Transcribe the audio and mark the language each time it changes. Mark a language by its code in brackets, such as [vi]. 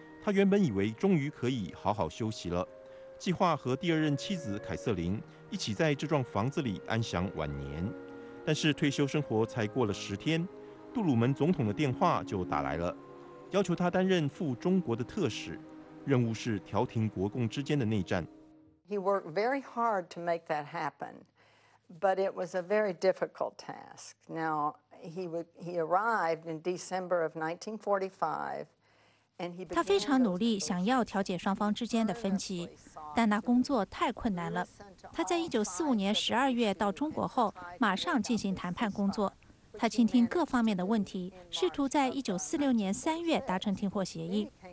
[zh] 他原本以为终于可以好好休息了，计划和第二任妻子凯瑟琳一起在这幢房子里安享晚年。但是退休生活才过了10天。杜鲁门总统的电话就打来了，要求他担任赴中国的特使，任务是调停国共之间的内战。 [en] He worked very hard to make that happen, but it was a very difficult task. Now he arrived in December of 1945, and he began. [zh] 他非常努力想要调解双方之间的分歧，但那工作太困难了。他在1945年12月到中国后，马上进行谈判工作。他倾听各方面的问题，试图在1946年3月达成停火协议。